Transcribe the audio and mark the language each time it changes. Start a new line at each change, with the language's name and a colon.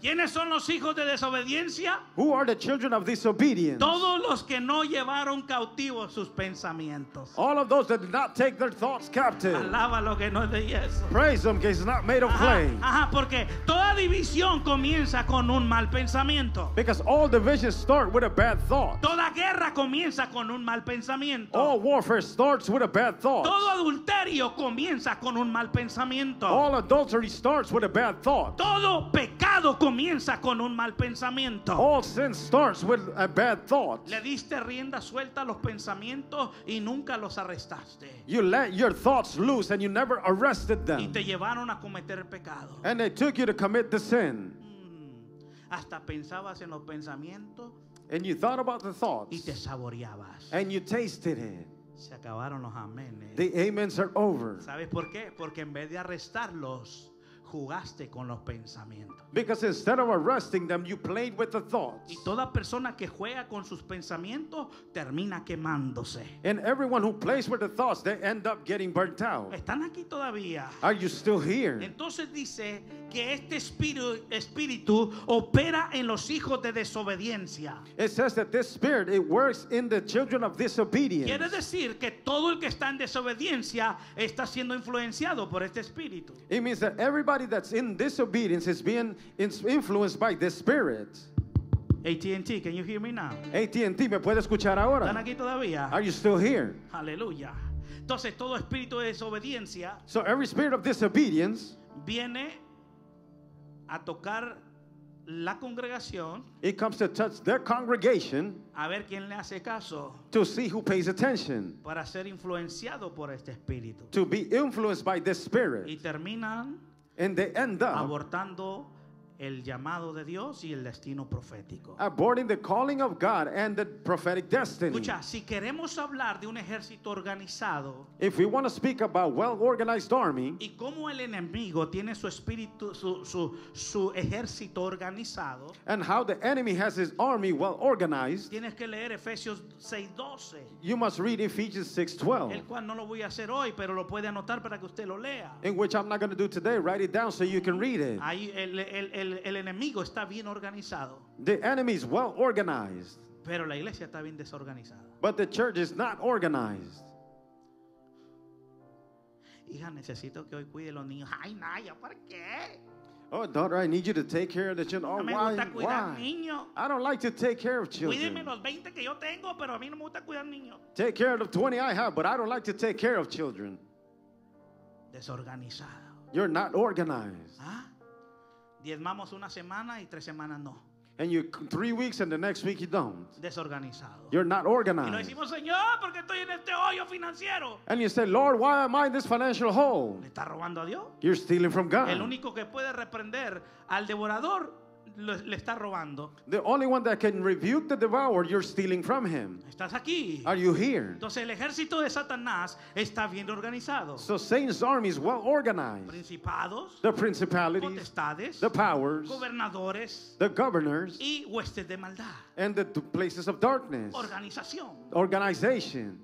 Spanish: ¿Quiénes son los hijos de desobediencia?
English: Who are the children of disobedience?
Spanish: Todos los que no llevaron cautivos sus pensamientos.
English: All of those that did not take their thoughts captive.
Spanish: Alaba lo que no es de yeso.
English: Praise them, because it's not made of clay.
Spanish: Ajá, porque toda división comienza con un mal pensamiento.
English: Because all divisions start with a bad thought.
Spanish: Toda guerra comienza con un mal pensamiento.
English: All warfare starts with a bad thought.
Spanish: Todo adulterio comienza con un mal pensamiento.
English: All adultery starts with a bad thought.
Spanish: Todo pecado comienza con un mal pensamiento.
English: All sin starts with a bad thought.
Spanish: Le diste rienda suelta a los pensamientos y nunca los arrestaste.
English: You let your thoughts loose and you never arrested them.
Spanish: Y te llevaron a cometer pecado.
English: And they took you to commit the sin.
Spanish: Hasta pensabas en los pensamientos.
English: And you thought about the thoughts.
Spanish: Y te saboreabas.
English: And you tasted it.
Spanish: Se acabaron los amenes.
English: The amens are over.
Spanish: ¿Sabes por qué? Porque en vez de arrestarlos, jugaste con los pensamientos.
English: Because instead of arresting them, you played with the thoughts.
Spanish: Y toda persona que juega con sus pensamientos termina quemándose.
English: And everyone who plays with the thoughts, they end up getting burnt out.
Spanish: ¿Están aquí todavía?
English: Are you still here?
Spanish: Entonces dice que este espíritu opera en los hijos de desobediencia.
English: It says that this spirit, it works in the children of disobedience.
Spanish: Quiere decir que todo el que está en desobediencia está siendo influenciado por este espíritu.
English: It means that everybody that's in disobedience is being influenced by the spirit. AT&T, can you hear me now?
Spanish: AT&T, ¿me puede escuchar ahora? ¿Están aquí todavía?
English: Are you still here?
Spanish: Aleluya. Entonces todo espíritu de desobediencia,
English: so every spirit of disobedience,
Spanish: viene a tocar la congregación.
English: It comes to touch their congregation.
Spanish: A ver quién le hace caso.
English: To see who pays attention.
Spanish: Para ser influenciado por este espíritu.
English: To be influenced by this spirit.
Spanish: Y terminan.
English: And they end up
Spanish: abortando el llamado de Dios y el destino profético.
English: Aborting the calling of God and the prophetic destiny.
Spanish: Escucha, si queremos hablar de un ejército organizado,
English: if we want to speak about well-organized army,
Spanish: y cómo el enemigo tiene su espíritu, su ejército organizado,
English: and how the enemy has his army well-organized,
Spanish: tienes que leer Efesios 6:12.
English: You must read Ephesians 6:12.
Spanish: El cual no lo voy a hacer hoy, pero lo puede anotar para que usted lo lea.
English: In which I'm not going to do today. Write it down so you can read it.
Spanish: Ahí el enemigo está bien organizado.
English: The enemy is well organized.
Spanish: Pero la iglesia está bien desorganizada.
English: But the church is not organized.
Spanish: Hija, necesito que hoy cuide los niños. Ay, Naya, ¿por qué?
English: Oh, daughter, I need you to take care of the children. Oh,
Spanish: no me gusta cuidar niños.
English: I don't like to take care of children.
Spanish: Cuídeme los 20 que yo tengo, pero a mí no me gusta cuidar niños.
English: Take care of the 20 I have, but I don't like to take care of children.
Spanish: Desorganizado.
English: You're not organized.
Spanish: ¿Ah? Diezmamos una semana y tres semanas no.
English: And you 3 weeks and the next week you don't.
Spanish: Desorganizado.
English: You're not organized.
Spanish: Y no decimos, Señor, ¿por qué estoy en este hoyo financiero?
English: And you say, Lord, why am I in this financial hole?
Spanish: ¿Le está robando a Dios?
English: You're stealing from God.
Spanish: El único que puede reprender al devorador le está robando.
English: The only one that can rebuke the devourer, you're stealing from him.
Spanish: Estás aquí.
English: Are you here?
Spanish: Entonces el ejército de Satanás está bien organizado.
English: So Satan's army is well organized.
Spanish: Principados.
English: The principalities.
Spanish: Potestades.
English: The powers.
Spanish: Gobernadores.
English: The governors.
Spanish: Y huestes de maldad.
English: And the places of darkness.
Spanish: Organización.
English: Organization.